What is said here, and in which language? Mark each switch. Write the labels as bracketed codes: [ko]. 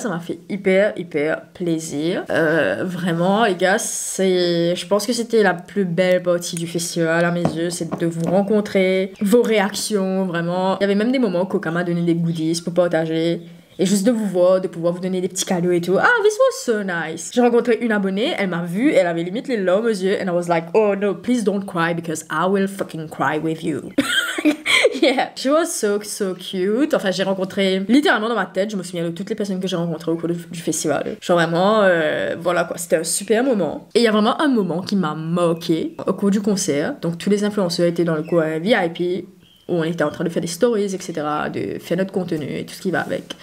[fr] Ça m'a fait hyper, hyper plaisir. Vraiment, les gars, je pense que c'était la plus belle partie du festival à mes yeux. C'est de vous rencontrer, vos réactions, vraiment. Il y avait même des moments où Coca m'a donné des goodies pour partager. Et juste de vous voir, de pouvoir vous donner des petits cadeaux et tout. [en] Ah, this was so nice. [fr] J'ai rencontré une abonnée, elle m'a vue, elle avait limite les larmes aux yeux. [en] And I was like, oh no, please don't cry because I will fucking cry with you. Yeah, she was so, so cute. [fr] Enfin, j'ai rencontré, littéralement dans ma tête, je me souviens de toutes les personnes que j'ai rencontrées au cours du festival. Genre vraiment, voilà quoi, c'était un super moment. Et il y a vraiment un moment qui m'a moqué au cours du concert. Donc tous les influenceurs étaient dans le coin VIP. Où on était en train de faire des stories, etc., de faire notre contenu et tout ce qui va avec.